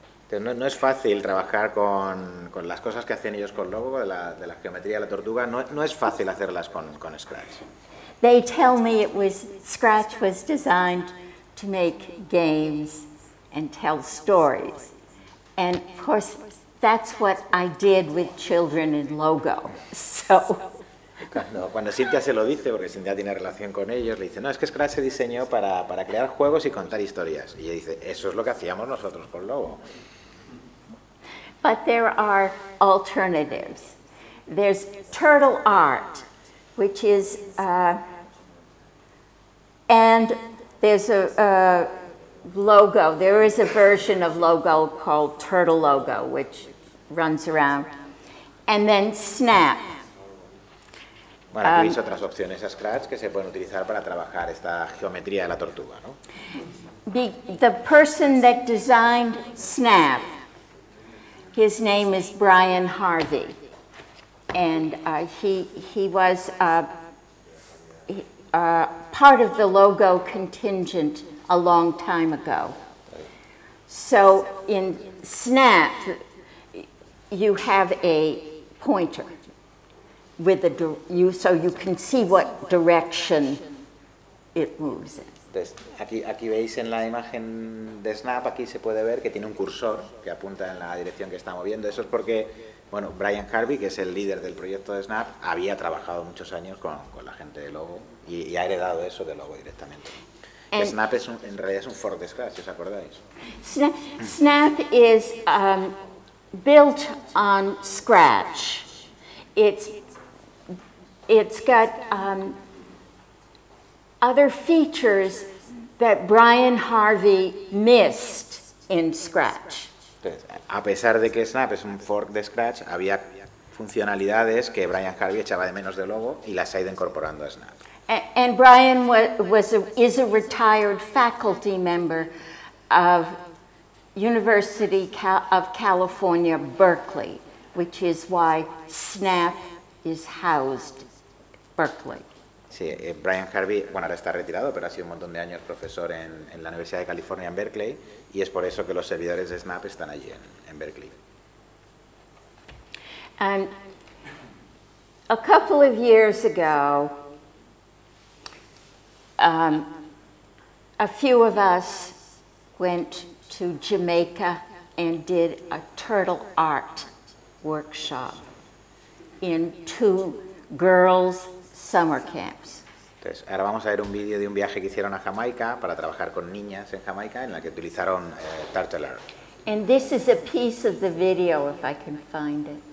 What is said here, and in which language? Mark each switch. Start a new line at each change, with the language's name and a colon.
Spanish: No es fácil trabajar con las cosas que hacen ellos con Logo, de la geometría de la tortuga, no es fácil hacerlas con Scratch.
English: They tell me Scratch was designed to make games and tell stories. And of course, that's what I did with children in Logo, so.
Spanish: Cuando Cynthia se lo dice, porque Cynthia tiene relación con ellos, le dice, no, es que Scratch se diseñó para crear juegos y contar historias. Y ella dice, eso es lo que hacíamos nosotros con Logo.
English: But there are alternatives. There's Turtle Art, which is, and there's a logo. There is a version of Logo called Turtle Logo, which runs around. And then Snap.
Spanish: Bueno, aquí veis otras opciones a Scratch que se pueden utilizar para trabajar esta geometría de la tortuga, ¿no?
English: The person that designed Snap, his name is Brian Harvey, and he was part of the logo contingent a long time ago. So in Snap, you have a pointer with a so you can see what direction it moves in.
Spanish: Entonces, aquí veis en la imagen de Snap, aquí se puede ver que tiene un cursor que apunta en la dirección que está moviendo. Eso es porque, bueno, Brian Harvey, que es el líder del proyecto de Snap, había trabajado muchos años con la gente de Logo y ha heredado eso de Logo directamente.
English: And
Spanish: Snap es en realidad es un fork de Scratch, ¿os acordáis?
English: Snap is built on Scratch. It's got other features that Brian Harvey missed in Scratch.
Spanish: Entonces, a pesar de que Snap es un fork de Scratch, había funcionalidades que Brian Harvey echaba de menos de Logo y las ha ido incorporando a Snap.
English: And Brian is a retired faculty member of University of California, Berkeley, which is why Snap is housed Berkeley.
Spanish: Sí, Brian Harvey, bueno, ahora está retirado, pero ha sido un montón de años profesor en la Universidad de California en Berkeley, y es por eso que los servidores de Snap están allí en Berkeley.
English: And a couple of years ago, a few of us went to Jamaica and did a turtle art workshop in two girls' summer camps.
Spanish: Entonces, ahora vamos a ver un vídeo de un viaje que hicieron a Jamaica para trabajar con niñas en Jamaica, en la que utilizaron turtle art.
English: And this is a piece of the video, if I can find it.